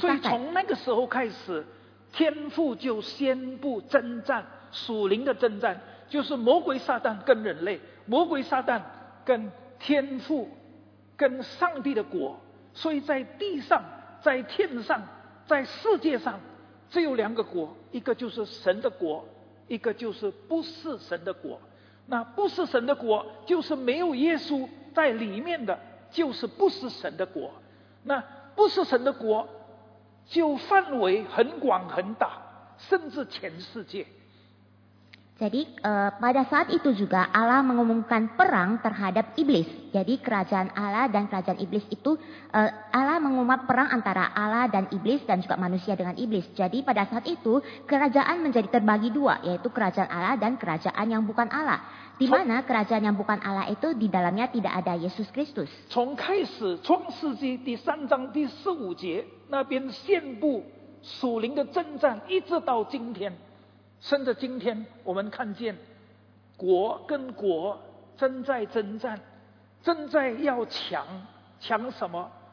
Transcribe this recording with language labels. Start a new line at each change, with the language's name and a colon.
Chinese: 所以从那个时候开始，天父就宣布征战，属灵的征战。就是魔鬼撒旦跟人类，魔鬼撒旦跟天父，跟上帝的国，所以在地上，在天上，在世界上，只有两个国，一个就是神的国，一个就是不是神的国。那不是神的国，就是没有耶稣在里面的，就是不是神的国。那不是神的国，就范围很广很大，甚至全世界。
Indonesian: Jadi pada saat itu juga Allah mengumumkan perang terhadap iblis. Jadi kerajaan Allah dan kerajaan iblis itu Allah mengumumkan perang antara Allah dan iblis dan juga manusia dengan iblis. Jadi pada saat itu kerajaan menjadi terbagi dua, yaitu kerajaan Allah dan kerajaan yang bukan Allah. Di mana kerajaan yang bukan Allah itu di dalamnya tidak ada Yesus Kristus.
Chinese: 从开始创世纪第三章第十五节那边宣布属灵的征战，一直到今天。甚至今天我们看见国跟国正在征战，正在要抢，抢什么？